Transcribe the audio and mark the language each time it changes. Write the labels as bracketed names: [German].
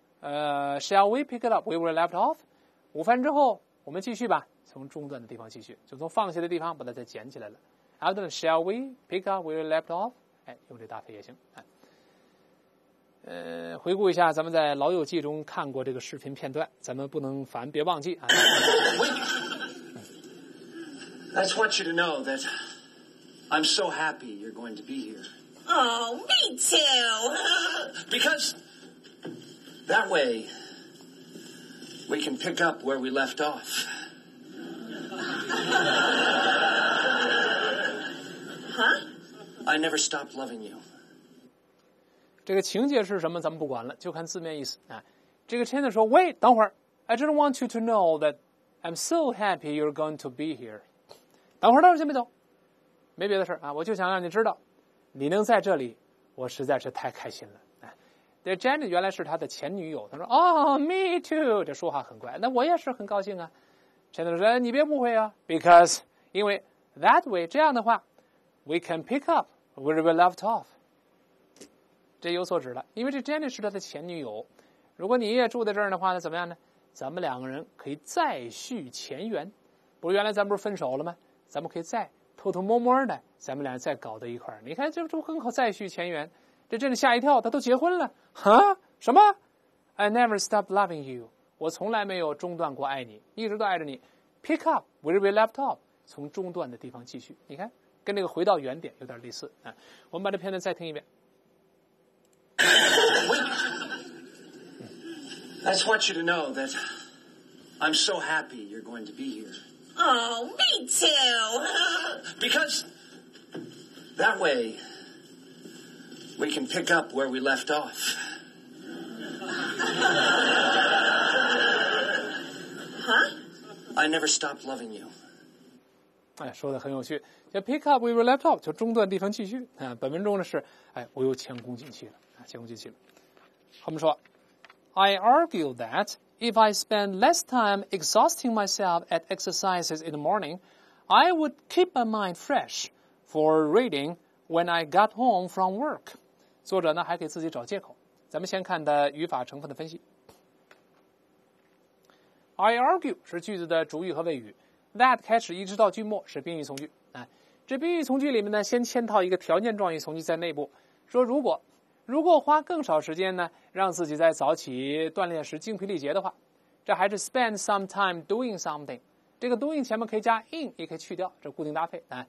[English] Shall we pick it up where we left off? [Chinese] 午饭之后我们继续吧，从中段的地方继续。就从放下的地方把它再捡起来了。 [English] After lunch, shall we pick up where we left off? [Chinese] 哎，用这搭配也行。回顾一下咱们在老友记中看过这个视频片段，咱们不能烦别忘记啊。 [English] I just want you to know that I'm so happy you're going to be here. Oh, me too. Because that way we can pick up where we left off. Huh? I never stopped loving you. [Chinese] 这个情节是什么咱们不管了，就看字面意思。这个 [English] Chandler [Chinese] 说 [English] Wait, [Chinese] 等会儿 [English] I just want you to know that I'm so happy you're going to be here. [Chinese] 等会儿，到时候先别走，没别的事啊，我就想让你知道，你能在这里，我实在是太开心了。这 Jenny 原来是他的前女友，他说：“哦 ， [English] me too。” [Chinese] 这说话很怪，那我也是很高兴啊。 [English] Chandler 说： [Chinese] “你别误会啊 [English] ，because [Chinese] 因为 [English] that way [Chinese] 这样的话 [English] ，we can pick up where we left off。” [Chinese] 这有所指了，因为这 Jenny 是他的前女友，如果你也住在这儿的话，那怎么样呢？咱们两个人可以再续前缘，不是原来咱不是分手了吗？咱们可以再偷偷摸摸的，咱们俩再搞到一块儿。你看，这不更好再续前缘？这真的吓一跳，他都结婚了，哈？什么 ？ [English] I never stopped loving you， [Chinese] 我从来没有中断过爱你，一直都爱着你。 [English] Pick up where we left off， [Chinese] 从中断的地方继续。你看，跟那个回到原点有点类似啊。我们把这片段再听一遍。 [English] I just want you to know that I'm so happy you're going to be here. Oh, me too. Because that way we can pick up where we left off. Huh? I never stopped loving you. [Chinese] 哎，说的很有趣。就 [English] pick up where we left off， [Chinese] 就中断地方继续。本文中的是，哎，我又前功尽弃了，前功尽弃了。他们说 [English] ，I argue that. If I spend less time exhausting myself at exercises in the morning, I would keep my mind fresh for reading when I got home from work. [Chinese] 作者呢还给自己找借口。咱们先看的语法成分的分析。 [English] I argue [Chinese] 是句子的主语和谓语。That 开始一直到句末是宾语从句。这宾语从句里面呢先嵌套一个条件状语从句在内部。说如果花更少时间呢让自己在早起锻炼时精疲力竭的话，这还是 [English] spend some time doing something， [Chinese] 这个 doing 前面可以加 in， 也可以去掉，这固定搭配。